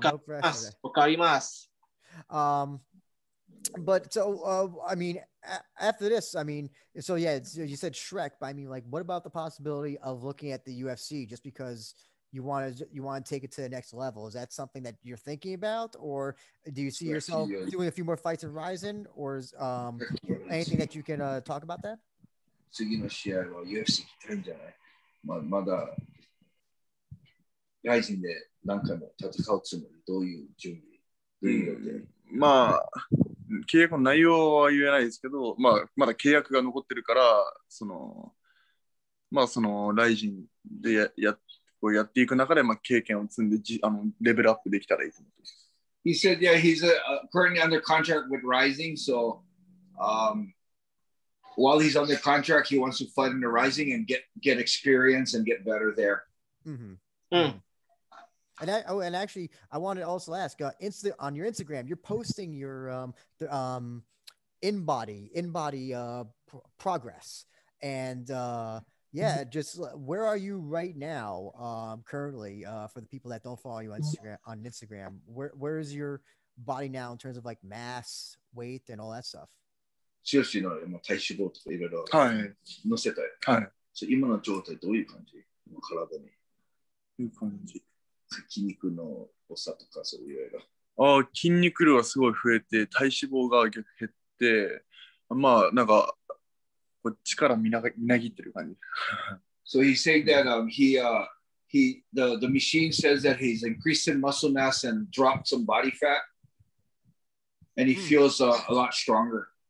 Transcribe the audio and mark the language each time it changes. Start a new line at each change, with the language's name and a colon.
English: You said Shrek, but I mean, like, what about the possibility of looking at the UFC just because you want to take it to the next level? Is that something that you're thinking about, or do you see yourself doing a few more fights in Rizin, or is anything that you can talk about that?
Japanese: 次の試合は UFC 来てるんじゃない。まだ Rizin で何回も戦うつもり。どういう準備？どういう予定？まあ契約の内容は言えないですけど、まあまだ契約が残ってるから、そのまあその Rizin でやっこうやっていく中で、まあ、経験を積んでじあのレベルアップできたらいいと思います。
English: He said, yeah, he's currently under contract with Rizin, so while he's under contract, he wants to fight in the Rizin and get experience and get better there. Actually, I wanted to also ask, on your Instagram, you're posting your in-body progress and yeah, just where are you right now, currently, for the people that don't follow you on Instagram, where is your body now in terms of like mass, weight, and all that stuff?
Japanese: Tsuyoshi の今体脂肪とかいろいろ載せたい。はい。そう、今の状態どういう感じ？体に。どういう感じ？筋肉の多さとかそういろいろ。ああ、筋肉量がすごい増えて、体脂肪が逆減って、まあなんか、こっちからみなぎってる感じ。
English: So he's saying that the machine says that he's increased in muscle mass and dropped some body fat, and he feels a lot stronger.